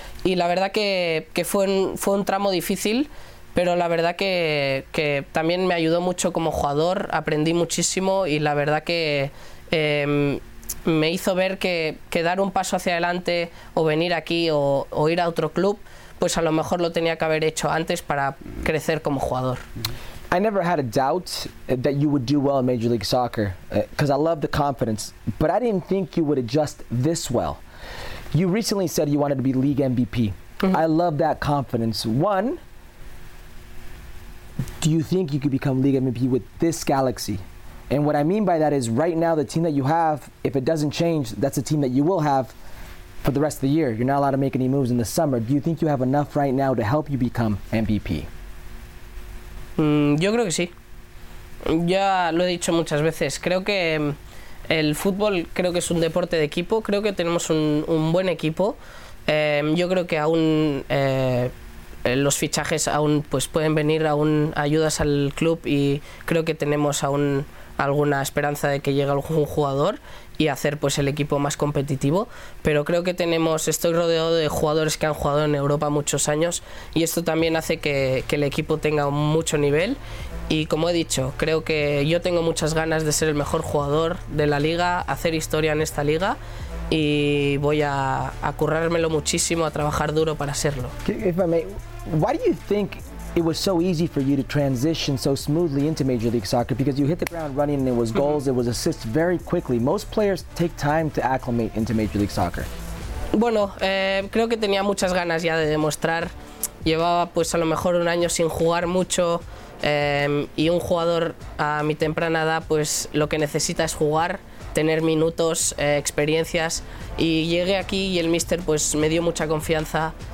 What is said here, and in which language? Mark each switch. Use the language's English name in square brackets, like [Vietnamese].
[Spanish] Y la verdad que fue un tramo difícil, pero la verdad que también me ayudó mucho como jugador, aprendí muchísimo y la verdad que me hizo ver que dar un paso hacia adelante o venir aquí o ir a otro club, pues a lo mejor lo tenía que haber hecho antes para crecer como jugador. [English] I never had a doubt that you would do well in Major League Soccer because I love the confidence, but I didn't think you would adjust this well. You recently said you wanted to be league MVP. Mm-hmm. I love that confidence. One, do you think you could become league MVP with this Galaxy? And what I mean by that is right now, the team that you have, if it doesn't change, that's a team that you will have for the rest of the year. You're not allowed to make any moves in the summer. Do you think you have enough right now to help you become MVP? [Spanish] Yo creo que sí. Ya lo he dicho muchas veces. Creo que el fútbol creo que es un deporte de equipo. Creo que tenemos un buen equipo. Yo creo que aún los fichajes aún pues pueden venir aún ayudas al club y creo que tenemos aún alguna esperanza de que llegue algún jugador y hacer pues el equipo más competitivo. Pero creo que estoy rodeado de jugadores que han jugado en Europa muchos años y esto también hace que el equipo tenga mucho nivel. Y como he dicho, creo que yo tengo muchas ganas de ser el mejor jugador de la liga, hacer historia en esta liga y voy a currármelo muchísimo, a trabajar duro para serlo. [English] If I may, why do you think it was so easy for you to transition so smoothly into Major League Soccer because you hit the ground running and it was goals, mm-hmm. it was assists very quickly. Most players take time to acclimate into Major League Soccer. [Spanish] Bueno, creo que tenía muchas ganas ya de demostrar. Llevaba pues a lo mejor un año sin jugar mucho y un jugador a mi temprana edad pues lo que necesita es jugar, tener minutos, experiencias y llegué aquí y el míster pues me dio mucha confianza.